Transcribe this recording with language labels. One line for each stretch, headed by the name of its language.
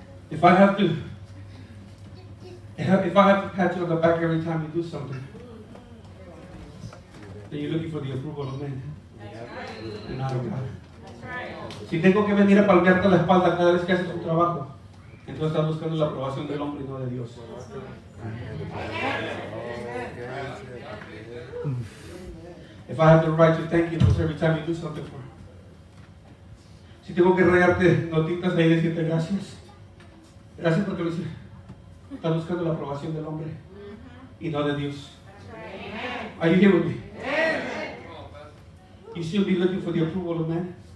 English: If I have to, if I have to pat you on the back every time you do something, then you're looking for the approval of men. And not of God.
Spanish: Si tengo que venir a palmearte la espalda cada vez que haces un trabajo, entonces estás buscando la aprobación del hombre y no de Dios.
English: If I have the right to thank you every time you do something for me.
Spanish: Si tengo que regarte notitas ahí y decirte gracias, gracias porque lo hice. Estás buscando la aprobación del hombre y no de Dios.
English: Are you here with me? You should be looking for the approval of man.